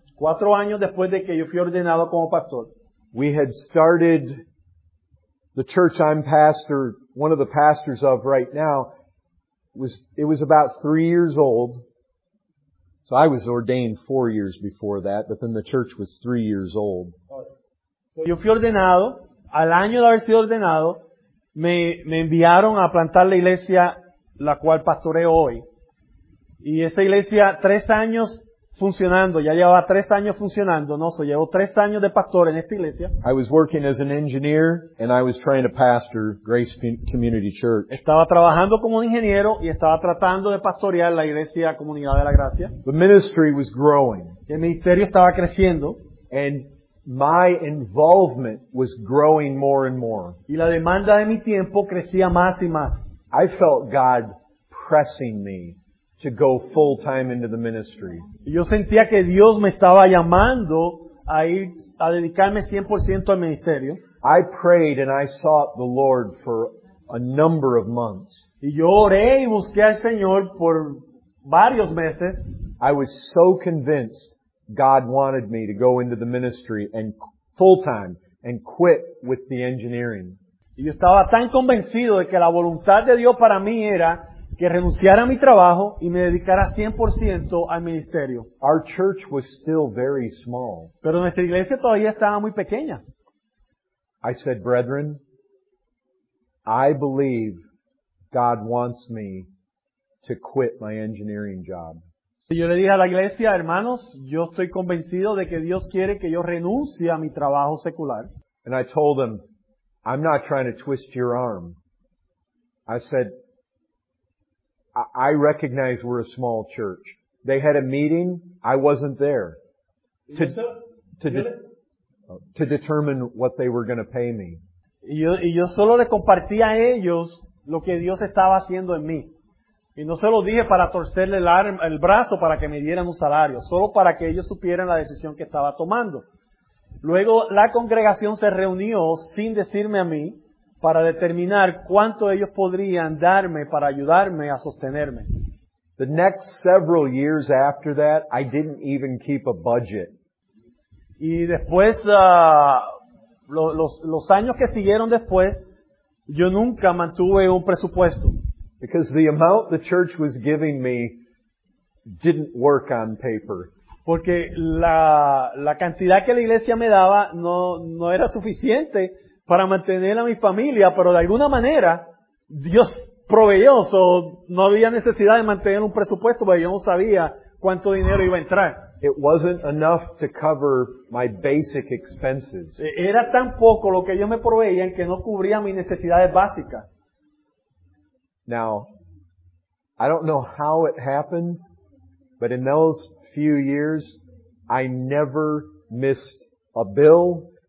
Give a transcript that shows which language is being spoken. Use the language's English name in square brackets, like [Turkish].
[Spanish] 4 años después de que yo fui ordenado como pastor. [English] We had started the church I'm pastor, one of the pastors of right now, it was about 3 years old. So I was ordained 4 years before that, but then the church was 3 years old. [Spanish] Yo fui ordenado, al año de haber sido ordenado, me enviaron a plantar la iglesia la cual pastoreo hoy. Y esa iglesia, 3 años funcionando, ya llevaba 3 años funcionando, no, so llevo 3 años de pastor en esta iglesia. [English] I was working as an engineer and I was trying to pastor Grace Community Church. [Spanish] Estaba trabajando como ingeniero y estaba tratando de pastorear la iglesia Comunidad de la Gracia. [English] The ministry was growing. [Spanish] El ministerio estaba creciendo. [English] And my involvement was growing more and more. [Spanish] Y la demanda de mi tiempo crecía más y más. [English] I felt God pressing me to go full time into the ministry. [Spanish] Yo sentía que Dios me estaba llamando a ir a dedicarme 100% al ministerio. [English] I prayed and I sought the Lord for a number of months. [Spanish] Y yo oré y busqué al Señor por varios meses. [English] I was so convinced God wanted me to go into the ministry and full time and quit with the engineering. [Spanish] Y yo estaba tan convencido de que la voluntad de Dios para mí era que renunciara a mi trabajo y me dedicara 100% al ministerio. [English] Our church was still very small. [Spanish] Pero nuestra iglesia todavía estaba muy pequeña. [English] I said, brethren, I believe God wants me to quit my engineering job. [Spanish] Y yo le dije a la iglesia, hermanos, yo estoy convencido de que Dios quiere que yo renuncie a mi trabajo secular. [English] And I told them, I'm not trying to twist your arm. I said, I recognize we're a small church. They had a meeting. I wasn't there to determine what they were going to pay me. [Spanish] Y yo solo le compartí a ellos lo que Dios estaba haciendo en mí. Y no se lo dije para torcerle el brazo para que me dieran un salario, solo para que ellos supieran la decisión que estaba tomando. Luego la congregación se reunió sin decirme a mí para determinar cuánto ellos podrían darme para ayudarme a sostenerme. [English] The next several years after that, I didn't even keep a budget. [Spanish] Y después, los años que siguieron después, yo nunca mantuve un presupuesto. [English] Because the amount the church was giving me didn't work on paper. [Spanish] Porque la cantidad que la iglesia me daba no era suficiente para mantener a mi familia, pero de alguna manera Dios proveyó, so no había necesidad de mantener un presupuesto porque yo no sabía cuánto dinero iba a entrar. [English] It wasn't enough to cover my basic expenses. [Spanish] Era tan poco lo que ellos me proveían que no cubría mis necesidades básicas. [English] Now, I don't know how it happened, but in those few years, I never missed a bill.